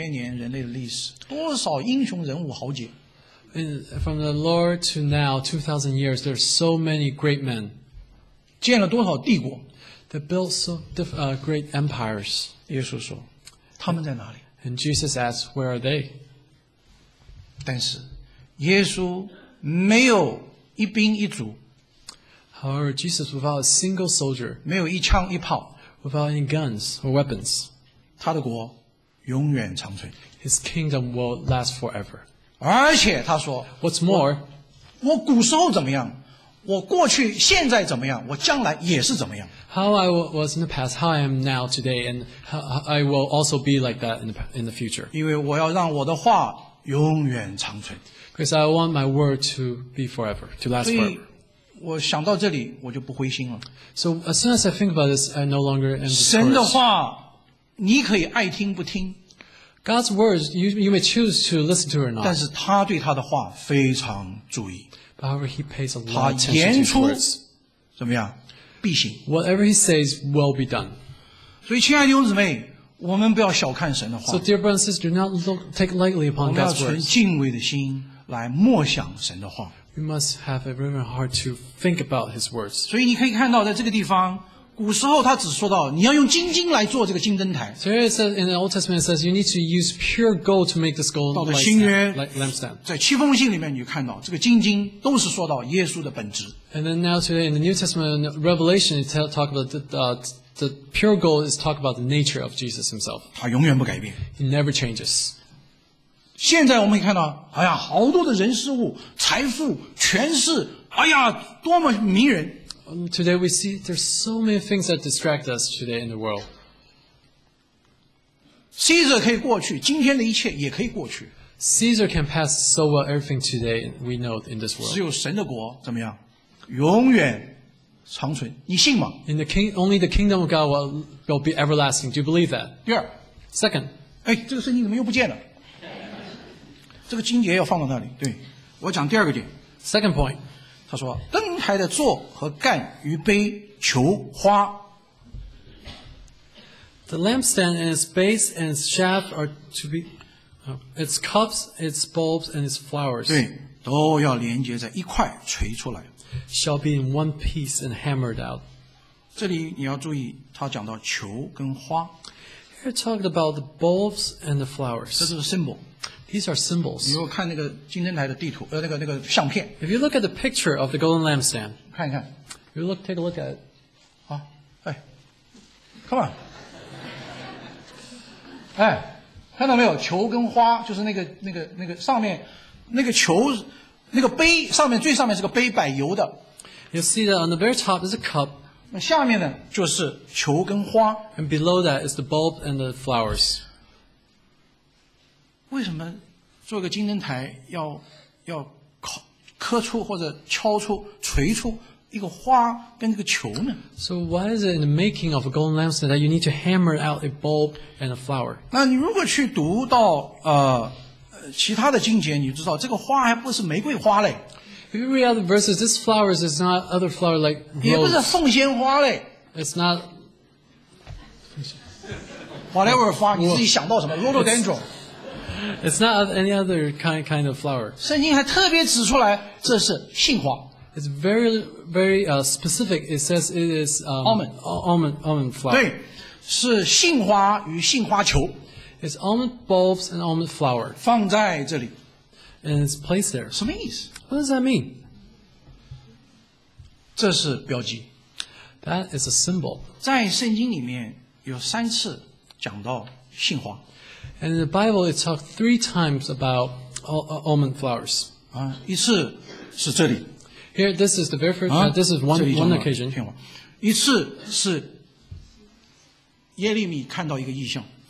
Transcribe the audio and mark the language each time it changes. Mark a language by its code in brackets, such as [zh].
[zh] 然后，在这从耶稣到现在2000年人类的历史，多少英雄人物豪杰？ [en] From the Lord to now, 2,000 years, there are so many great men. [zh] 建了多少帝国? [en] They built so great empires. [zh] 耶稣说, 他们在哪里? [en] And Jesus asked, where are they? [zh] 但是耶稣没有一兵一卒, [en] However, Jesus, without a single soldier, [zh] 没有一枪一炮, [en] without any guns or weapons, [zh] 他的国永远长存, [en] His kingdom will last forever. [zh] 而且他说, [en] What's more, [zh] 我古时候怎么样? 我过去现在怎么样, 我将来也是怎么样。 [en] How I was in the past, how I am now today, and how I will also be like that in the future. [zh] 因为我要让我的话永远长存。 [en] Because I want my word to be forever, to last forever. [zh] 所以我想到这里，我就不灰心了。 [en] So as soon as I think about this, I no longer am discouraged. [zh] 神的话，你可以爱听不听。 [en] God's words, you may choose to listen to or not. [zh] 但是他对他的话非常注意。 [en] But however, he pays a lot of attention to words. [zh] 怎么样？必行。 [en] Whatever he says will be done. [zh] 所以，亲爱的弟兄姊妹。我们不要小看神的话。 [en] So dear brothers and sisters, do not look, take lightly upon God's words. [zh] 我们要存敬畏的心来默想神的话。 [en] We must have a reverent heart to think about His words. [zh] 所以你可以看到，在这个地方，古时候他只说到你要用金金来做这个金灯台。 [en] So here it says in the Old Testament, it says you need to use pure gold to make this gold. [zh] 到了新约 [en] ，like lampstand. [zh] 在七封信里面，你就看到这个金金都是说到耶稣的本质。 [en] And then now today in the New Testament Revelation, it talk about the pure gold is talk about the nature of Jesus himself. [zh] 他永远不改变。 [en] He never changes. [zh] 现在我们看到，哎呀，好多的人、事物、财富、权势，哎呀，多么迷人。 [en] Today we see there's so many things that distract us today in the world. [zh] Caesar 可以过去，今天的一切也可以过去。 [en] Caesar can pass so well everything today we know in this world. [zh] 只有神的国怎么样，永远。长存，你信吗？ [en] In the king, only the kingdom of God will be everlasting. Do you believe that? [zh] 第二 [en] ，second， [zh] 哎，这个圣经怎么又不见了？这个经节要放到那里。对，我讲第二个点。 [en] Second point， [zh] 他说灯台的座和盖与杯球花。 [en] The lampstand and its base and its shaft are to be, its cups, its bulbs and its flowers. [zh] 对，都要连接在一块锤出来。 [en] Shall be in one piece and hammered out. [zh] 这里你要注意，他讲到球跟花。 [en] Here talked about the bulbs and the flowers. [zh] 这是个 symbol. [en] These are symbols. [zh] 你如果看那个金灯台的地图，那个相片。 [en] If you look at the picture of the golden lampstand, [zh] 看一看。 [en] You look, take a look at it. [zh] 好，哎 ， [en] come on. [zh] 哎，看到没有？球跟花，就是那个上面那个球。那个杯上面最上面是个杯摆油的。 [en] You see that on the very top is a cup. [zh] 那下面呢就是球跟花。 [en] And below that is the bulb and the flowers. [zh] 为什么做个金灯台要刻出或者敲出锤出一个花跟一个球呢 [en] ？So why is it in the making of a golden lampstand that you need to hammer out a bulb and a flower? [zh] 那你如果去读到其他的经节你知道这个花还不是玫瑰花嘞。 [en] If you read other verses, this flower is not other flower like rose. [zh] 也不是凤仙花嘞。 [en] It's not... [zh] Whatever 花你自己想到什么 Rhododendron. [en] It's not any other kind of flower. [zh] 圣经还特别指出来这是杏花。 [en] It's very, very, specific. It says it is, almond flower. [zh] 对是杏花与杏花球。 [en] It's almond bulbs and almond flower. [zh] 放在这里 [en] And it's placed there. [zh] 什么意思 [en] What does that mean? [zh] 这是标记 [en] That is a symbol. [zh] 在圣经里面有三次讲到杏花 [en] And in the Bible it talks three times about almond flowers. [zh] 一次是这里 [en] Here, this is the very first time. This is one occasion. [zh] 一次是耶利米看到一个异象